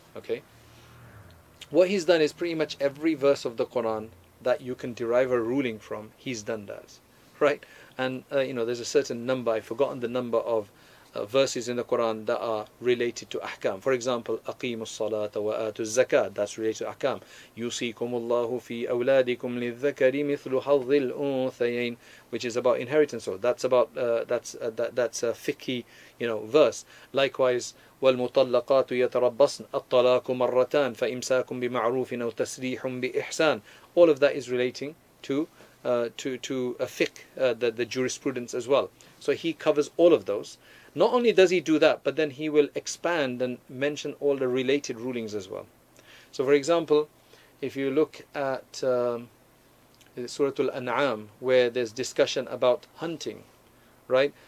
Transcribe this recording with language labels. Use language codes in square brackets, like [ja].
[en] Okay, what he's done is pretty much every verse of the Quran that you can derive a ruling from, he's done that. Right, and you know, there's a certain number, I've forgotten the number of verses in the Quran that are related to ahkam. For example, [ar] أَقِيمُ الصَّلَاةَ وَآتُ الزَّكَاةَ, [en] that's related to ahkam. [ar] يُوصِيكُمُ اللَّهُ فِي أَوْلَادِكُمْ لِلذَّكَرِ مِثْلُ حَظِّ الْأُنثَيَيْنِ, [en] which is about inheritance. So that's about that's a fiqhi, you know, verse. [ar] Likewise, وَالْمُطَلَّقَاتُ يَتَرَبَّصْنَ الطَّلَاقُ مَرَّتَانِ فَإِمْسَاكٌ بِمَعْرُوفٍ أَوْ تَسْرِيحٌ بِإِحْسَانٍ. [en] All of that is relating to a fiqh, the jurisprudence as well. So he covers all of those. Not only does he do that, but then he will expand and mention all the related rulings as well. So for example, if you look at Surah Al-An'am, where there's discussion about hunting, right?